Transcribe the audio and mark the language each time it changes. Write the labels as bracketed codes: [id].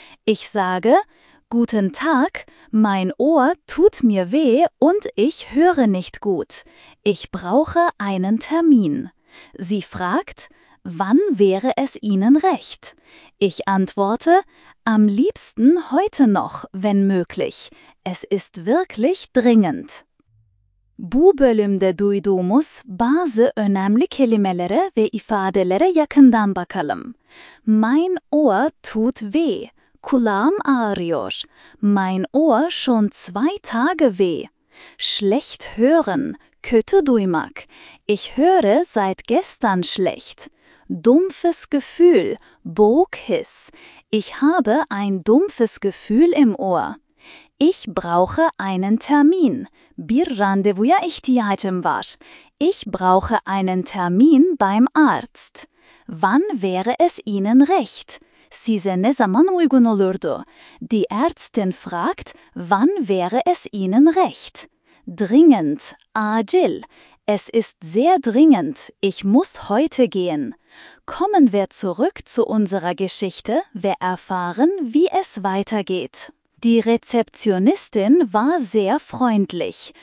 [de] Ich sage, guten Tag, mein Ohr tut mir weh und ich höre nicht gut. Ich brauche einen Termin. Sie fragt, wann wäre es Ihnen recht? Ich antworte, am liebsten heute noch, wenn möglich. Es ist wirklich dringend. [tr] Bu bölümde duyduğumuz bazı önemli kelimelere ve ifadelere yakından bakalım. [de] Mein Ohr tut weh. [tr] Kulağım ağrıyor. [de] Mein Ohr schon zwei Tage weh. Schlecht hören. [tr] Kötü duymak. [de] Ich höre seit gestern schlecht. Dumpfes Gefühl. Bronchitis. Ich habe ein dumpfes Gefühl im Ohr. Ich brauche einen Termin. [tr] Bir randevuya ihtiyacım var. [de] Ich brauche einen Termin beim Arzt. Wann wäre es Ihnen recht? [tr] Size ne zaman uygun olurdu? [de] Die Ärztin fragt, wann wäre es Ihnen recht? Dringend, acil. Es ist sehr dringend. Ich muss heute gehen. Kommen wir zurück zu unserer Geschichte. Wir erfahren, wie es weitergeht. Die Rezeptionistin war sehr freundlich.